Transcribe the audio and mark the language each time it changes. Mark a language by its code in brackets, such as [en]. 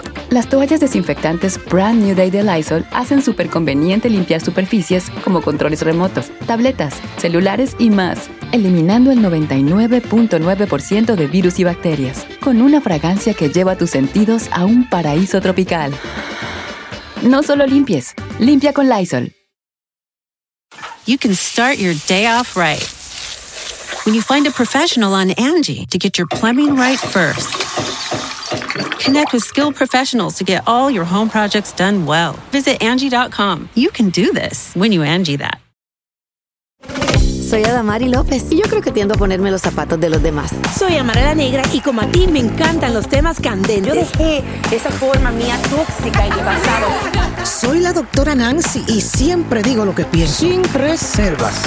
[es] Las toallas desinfectantes Brand New Day de Lysol hacen súper conveniente limpiar superficies como controles remotos, tabletas, celulares y más, eliminando el 99.9% de virus y bacterias, con una fragancia que lleva tus sentidos a un paraíso tropical. No solo limpies, limpia con Lysol. [en] You can start your day off right when you find a professional on Angie to get your plumbing right first. Connect with skilled professionals to get all your home projects done well. Visit Angie.com. You can do this when you Angie that. [es] Soy Adamari López y yo creo que tiendo a ponerme los zapatos de los demás. Soy Amarela Negra y como a ti me encantan los temas candentes. Yo dejé esa forma mía tóxica en el pasado. Soy la doctora Nancy y siempre digo lo que pienso. Sin reservas.